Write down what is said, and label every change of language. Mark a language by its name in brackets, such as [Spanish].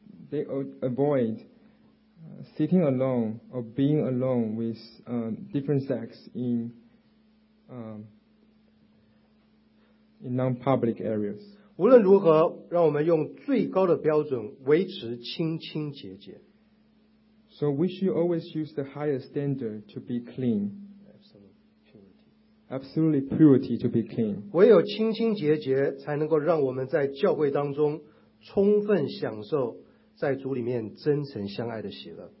[English] They avoid sitting alone or being alone with different sex in non-public areas. [Chinese] 无论如何，让我们用最高的标准维持清清洁洁。 [English] So we should always use the highest standard to be clean. Absolutely purity to be clean. [Chinese] 唯有清清洁洁才能够让我们在教会当中充分享受在主里面真诚相爱的喜乐。